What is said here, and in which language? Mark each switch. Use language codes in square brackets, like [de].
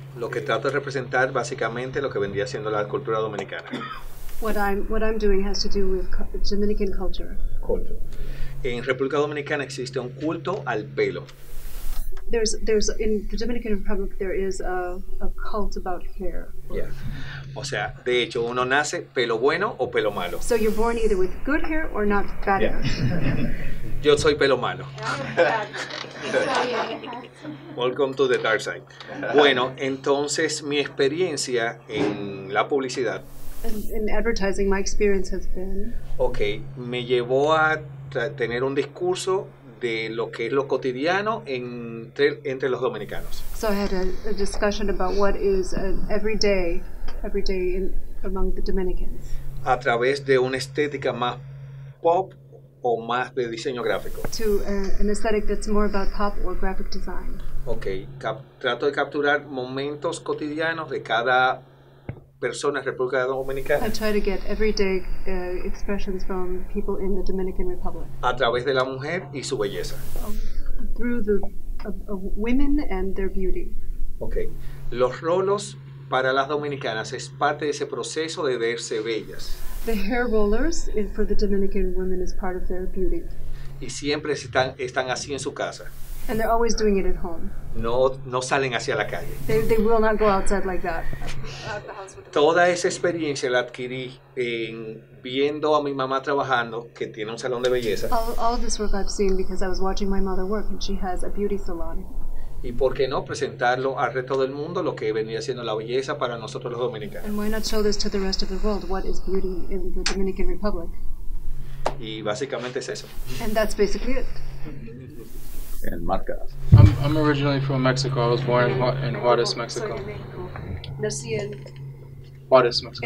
[es] Lo que trato de representar básicamente lo que vendría siendo la cultura dominicana. [en] What I'm doing has to do with Dominican culture. [es] En República Dominicana existe un culto al pelo. [en] There's in the Dominican Republic there is a cult about hair. [es] Yeah. O sea, de hecho uno nace pelo bueno o pelo malo. [en] So you're born either with good hair or not bad hair. [es] Yo soy pelo malo. [en] Yeah, welcome to the dark side. [es] Bueno, entonces mi experiencia en la publicidad. [en] In advertising, my experience has been. [es] Okay, me llevó a tener un discurso de lo que es lo cotidiano entre los dominicanos. [en] So I had a discussion about what is an everyday in, among the Dominicans. [es] A través de una estética más pop o más de diseño gráfico. [en] To an aesthetic that's more about pop or graphic design. [es] Okay, trato de capturar momentos cotidianos de cada personas República Dominicana. [en] I try to get everyday expressions from people in the Dominican Republic. [es] A través de la mujer y su belleza. [en] Through the of women and their beauty. Okay. [es] Los rolos para las dominicanas es parte de ese proceso de verse bellas. [en] The hair rollers for the Dominican women is part of their beauty. [es] Y siempre están así en su casa. [en] And they're always doing it at home. [es] No salen hacia la calle. [en] They will not go outside like that. [es] Toda esa experiencia la adquirí en viendo a mi mamá trabajando, que tiene un salón de belleza. [en] All of this work I've seen because I was watching my mother work and she has a beauty salon. [es] Y por qué no presentarlo al resto del mundo, lo que venía siendo la belleza para nosotros los dominicanos. [en] And why not show this to the rest of the world, what is beauty in the Dominican Republic? [es] Y básicamente es eso. [en] And that's basically it. [es] En Marcas. [en] I'm originally from Mexico. I was born in Juárez, Mexico. [es] Soy de México. Nací en Juárez, Mexico.